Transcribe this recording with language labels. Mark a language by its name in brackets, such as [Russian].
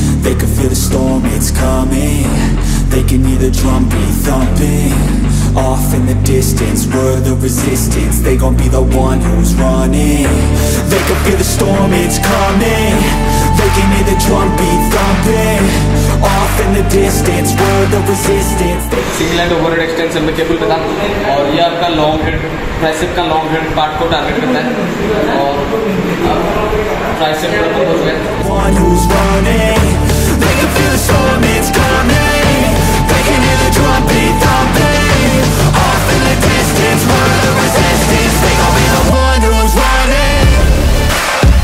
[English] They can feel the storm, it's coming. They can hear the drum be thumping. Off in the distance, we're the resistance. They gon' be the one who's running. They can feel the storm, it's coming. They can hear the drum be thumping. Off in the distance, we're the resistance. Single end overhead extension [Hindi] में cable पे था, और ये आपका long head, tricep का long head part को target करता है, और tricep का तो बस है. [English] One who's running, they can feel the storm, it's coming. They can hear the drum be thumping. Off in the distance, we're the resistance. They gon' be the one who's running.